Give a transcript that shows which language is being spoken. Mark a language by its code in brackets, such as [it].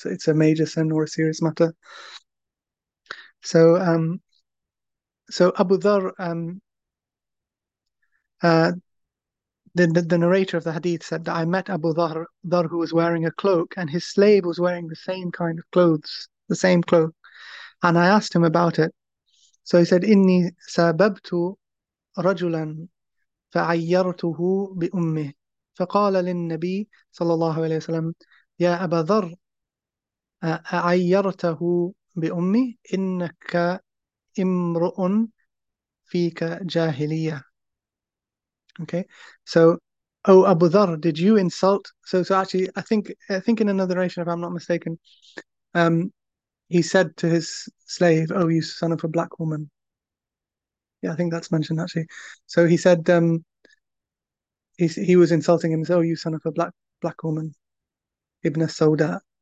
[en] It's a major sin or a serious matter. So so Abu Dharr, the narrator of the hadith said that I met Abu Dharr, who was wearing a cloak, and his slave was wearing the same kind of clothes, the same cloak. And I asked him about it. So he said, [ar] "Inni sababtu rajulan, فعيرته بأمه فقال للنبي صلى الله عليه وسلم يا أبا ذر أعيرته بأمي إنك امرؤ فيك جاهلية." [en] Okay, so, oh Abu Dharr, did you insult? So actually, I think in another narration, if I'm not mistaken, he said to his slave, "Oh, you son of a black woman." Yeah, I think that's mentioned actually. So he said, he was insulting him, "Oh, you son of a black woman." Ibn al-Sawda.